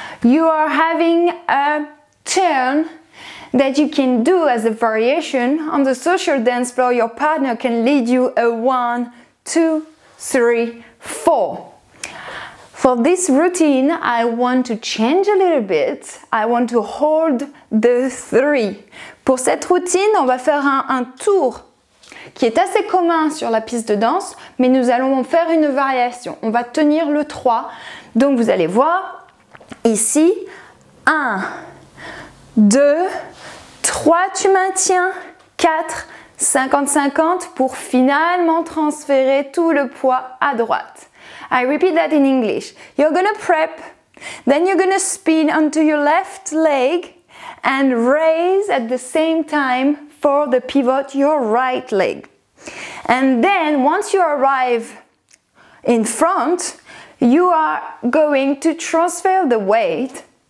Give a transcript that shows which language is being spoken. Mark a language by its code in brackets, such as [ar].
[en] You are having a turn that you can do as a variation on the social dance floor. Your partner can lead you a one, two, three, four. For this routine, I want to change a little bit. I want to hold the three. [fr] Pour cette routine, on va faire un tour qui est assez commun sur la piste de danse, mais nous allons en faire une variation. On va tenir le 3. Donc vous allez voir ici, 1, 2, 3, tu maintiens, 4, 50-50 pour finalement transférer tout le poids à droite. [en] I repeat that in English. You're gonna prep, then you're gonna spin onto your left leg and raise at the same time for the pivot your right leg. And then once you arrive in front, you are going to transfer the weight.